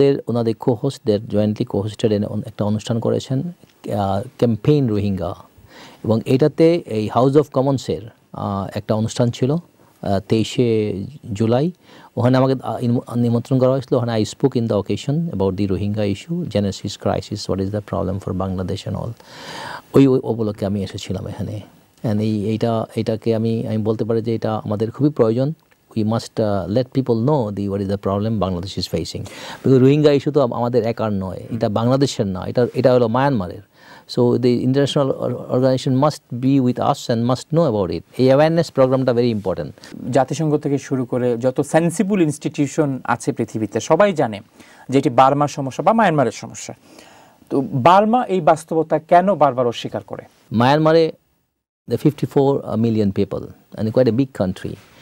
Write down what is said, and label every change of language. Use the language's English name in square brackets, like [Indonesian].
[Bangla] ওনাদের কোহোস্টদের জয়েন্টলি কোহোস্টেড একটা অনুষ্ঠান করেছেন, ক্যাম্পেইন রোহিঙ্গা, এবং এটাতে এই হাউস অফ কমন্সের একটা অনুষ্ঠান ছিল 23 জুলাই, ওখানে আমাকে নিমন্ত্রণ করা হয়েছিল, ওখানে [English] I spoke in the occasion about the Rohingya issue, genesis crisis, what is the problem for Bangladesh and all, [Bangla] ওই উপলক্ষে আমি এসেছিলাম এখানে। অ্যান্ড এটাকে আমি বলতে পারি যে এটা আমাদের খুবই প্রয়োজন, [English] we must let people know the what is the problem Bangladesh is facing, [Bangla] because Rohingya issue তো আমাদের একার নয়, এটা বাংলাদেশের না, এটা হলো মায়ানমারের। [English] So the international organization must be with us and must know about it. The awareness program is very important. [Bangla] জাতিসংঘ থেকে শুরু করে যত সেন্সিবল ইনস্টিটিউশন আছে পৃথিবীতে, সবাই জানে যে এটি বার্মার সমস্যা বা মায়ানমারের সমস্যা। তো বার্মা এই বাস্তবতা কেন বারবার অস্বীকার করে? [English] মায়ানমারে 54 million people, and quite a big country,